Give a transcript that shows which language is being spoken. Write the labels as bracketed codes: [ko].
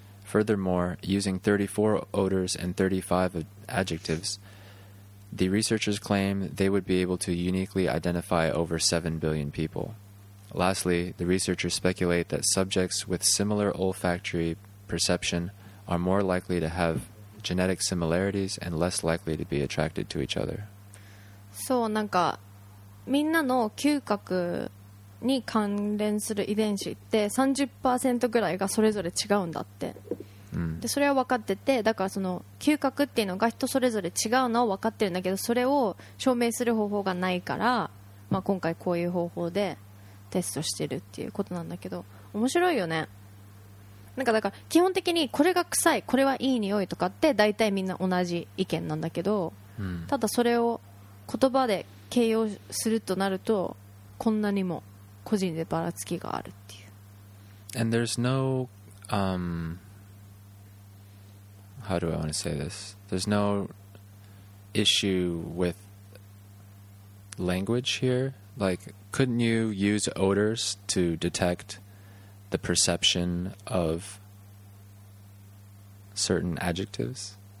[en] Furthermore, using 34 odors and 35 adjectives, the researchers claim they would be able to uniquely identify over 7 billion people. Lastly, the researchers speculate that subjects with similar olfactory perception are more likely to have genetic similarities and less likely to be attracted to each other. [ja] そう、なんかみんなの嗅覚に関連する遺伝子って 30% ぐらいがそれぞれ違うんだって、うん、でそれは分かってて、だからその嗅覚っていうのが人それぞれ違うのを分かってるんだけど、それを証明する方法がないから、まあ、今回こういう方法でテストしてるっていうことなんだけど、面白いよね。なんかだから基本的にこれが臭い、これはいい匂いとかって大体みんな同じ意見なんだけど、うん、ただそれを言葉で形容するとなると、こんなにも個人でばらつきがあるっていう。 [en] And there's no how do I want to say this? There's no issue with language here. Like,Couldn't you use odors to detect the perception of certain adjectives?